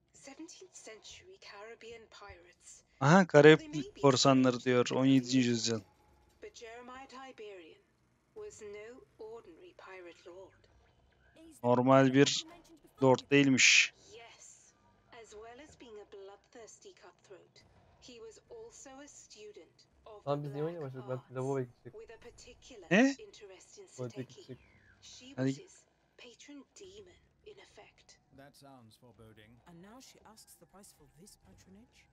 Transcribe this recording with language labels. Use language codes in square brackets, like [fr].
[en] 17th century Caribbean pirates. [tr] Aha, Karayip korsanları diyor 17. yüzyıl. [en] But Jeremiah Tiberian was no ordinary pirate lord. [tr] Normal bir lord değilmiş. [en] Yes, as well as being a bloodthirsty cutthroat, he was also a student of the Black Arts. [tr] Lan biz niye oynuyoruz? Lavaboya gittik. [en] With a particular interest in Sateki. She was patron demon in effect. That sounds foreboding. And now she asks the price for this patronage.